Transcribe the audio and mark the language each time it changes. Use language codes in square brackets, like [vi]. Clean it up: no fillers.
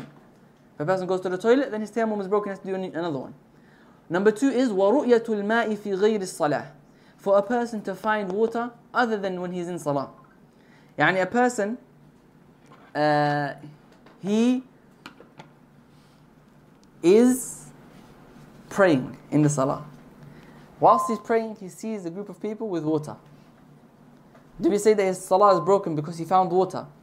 [en] If a person goes to the toilet, then his tayammum is broken, he has to do another one. Number two is [ar] ورؤية الماء في غير الصلاة. [en] For a person to find water other than when he's in salah. يعني a person, he is praying in the salah. Whilst he's praying, he sees a group of people with water. Do we say that his salah is broken because he found water?